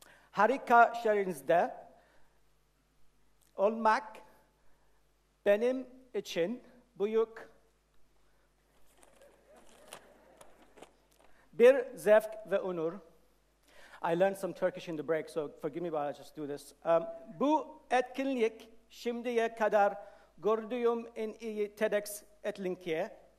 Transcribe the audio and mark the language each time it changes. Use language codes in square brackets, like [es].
[tr] Harika şehrinizde olmak benim için büyük bir zevk ve onur. [en] I learned some Turkish in the break, so forgive me while I just do this. [tr] Bu etkinlik şimdiye kadar gördüğüm en iyi TEDx etkinliği.